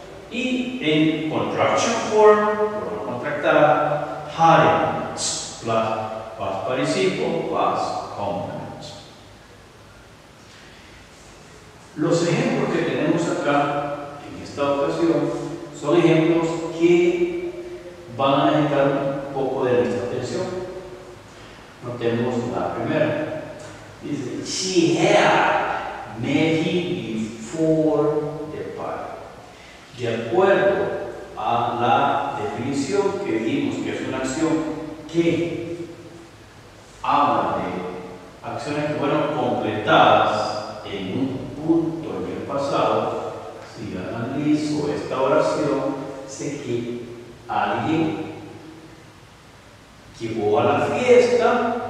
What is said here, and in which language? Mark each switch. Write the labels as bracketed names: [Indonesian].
[Spanish] Y en [English] contraction form, [Spanish] forma contractada, [English] hadn't plus past participle plus complement. [Spanish] Los ejemplos que tenemos acá en esta ocasión son ejemplos que van a necesitar un poco de nuestra atención. Notemos la primera. Dice, [English] she had met him before the party. [Spanish] De acuerdo a la definición que vimos, que es una acción que habla de acciones que fueron completadas en un punto en el pasado, si analizo esta oración, sé que alguien llegó a la fiesta.